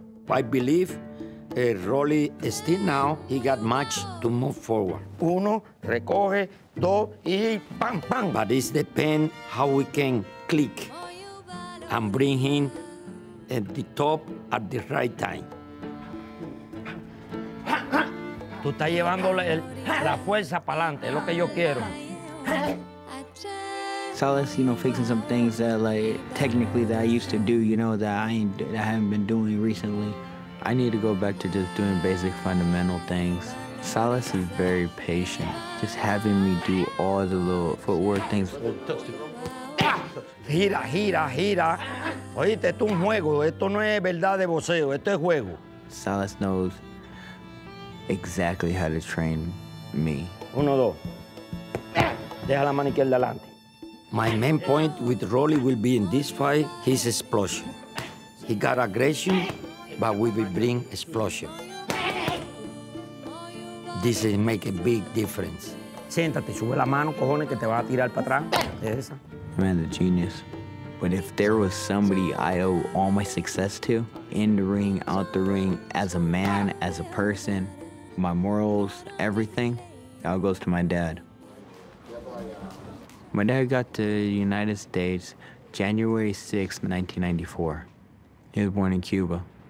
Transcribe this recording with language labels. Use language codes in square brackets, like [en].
[en] I believe Rolly is still now, he got much to move forward. [es] Uno, recoge, dos, y bang, bang. [en] But it depends how we can click and bring him at the top at the right time. [es] Tú estás llevando la fuerza para adelante, es lo que yo quiero. [en] Salas, you know, fixing some things that, like, technically that I used to do, you know, that I haven't been doing recently. I need to go back to just doing basic fundamental things. Salas is very patient, just having me do all the little footwork things. [es] Gira, gira, gira. Oíste, esto es un juego, esto no es verdad de boxeo, esto es juego. [en] Salas knows exactly how to train me. [es] Uno, dos. Deja la mano izquierda adelante. [en] My main point with Rolly will be in this fight, his explosion. He got aggression, but we will bring explosion. This is make a big difference. [es] Siéntate, sube la mano, cojones, que te va a tirar para atrás. Es esa. [en] Man, the genius. But if there was somebody I owe all my success to, in the ring, out the ring, as a man, as a person, my morals, everything, it all goes to my dad. My dad got to the United States January 6, 1994. He was born in Cuba.